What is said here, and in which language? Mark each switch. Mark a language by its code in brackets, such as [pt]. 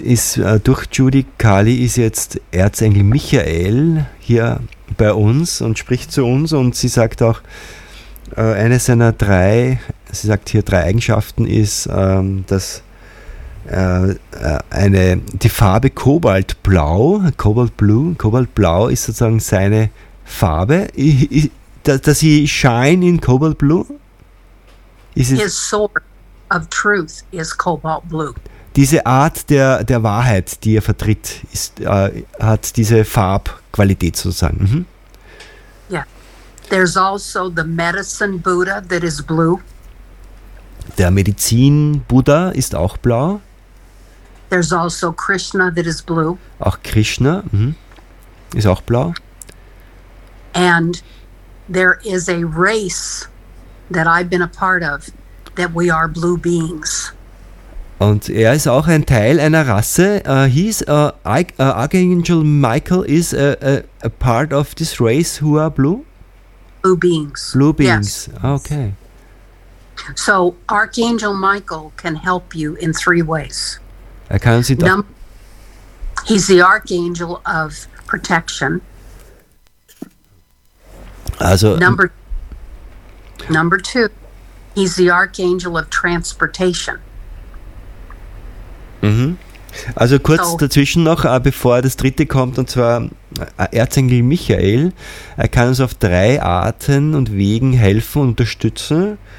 [de] ist durch Judy Kali ist jetzt Erzengel Michael hier bei uns und spricht zu uns und sie sagt auch, eine seiner drei, sie sagt hier drei Eigenschaften ist, dass die Farbe Cobalt Blue ist sozusagen seine Farbe. [en] Does he shine in Cobalt Blue? His sword of truth is Cobalt Blue. [de] Diese Art der Wahrheit, die er vertritt, hat diese Farbqualität sozusagen. Mhm. Yeah. [en] There's also the medicine Buddha that is blue. [de] Der Medizin Buddha ist auch blau. [en] There's also Krishna that is blue. [de] Auch Krishna ist auch blau. [en] And there is a race that I've been a part of that we are blue beings. [de] Und ist auch ein Teil einer Rasse. [en] Archangel Michael is a part of this race who are blue? Blue beings. Blue beings. Yes. Okay. So Archangel Michael can help you in three ways. He's the archangel of protection. [de] Also [en] number two, he's the archangel of transportation. Mhm. [de] Also kurz so, dazwischen noch, bevor das dritte kommt, und zwar Erzengel Michael. Er kann uns auf drei Arten und Wegen helfen und unterstützen.